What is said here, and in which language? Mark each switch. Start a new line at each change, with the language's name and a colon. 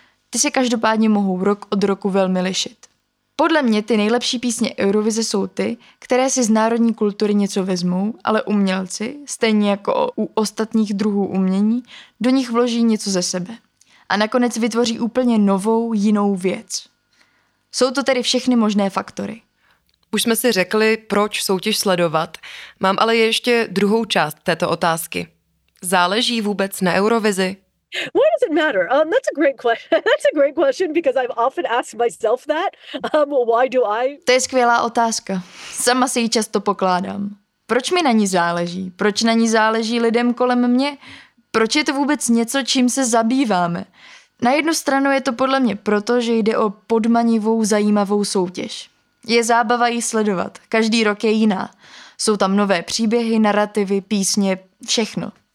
Czech: Ty se každopádně mohou rok od roku velmi lišit. Podle mě ty nejlepší písně Eurovize jsou ty, které si z národní kultury něco vezmou, ale umělci, stejně jako u ostatních druhů umění, do nich vloží něco ze sebe. A nakonec vytvoří úplně novou, jinou věc. Jsou to tedy všechny možné faktory. Už jsme si řekli, proč soutěž sledovat. Mám ale ještě druhou část této otázky. Záleží vůbec na Eurovizi?
English: Why does it matter? That's a great question because I've often asked myself that. Why do I?
Czech: To je skvělá otázka. Sama si ji často pokládám. Proč mi na ní záleží? Proč na ní záleží lidem kolem mě? Proč je to vůbec něco, čím se zabýváme? Na jednu stranu je to podle mě proto, že jde o podmanivou, zajímavou soutěž. Je zábava jí sledovat. Každý rok je jiná. Jsou tam nové příběhy, narrativy, písně, všechno.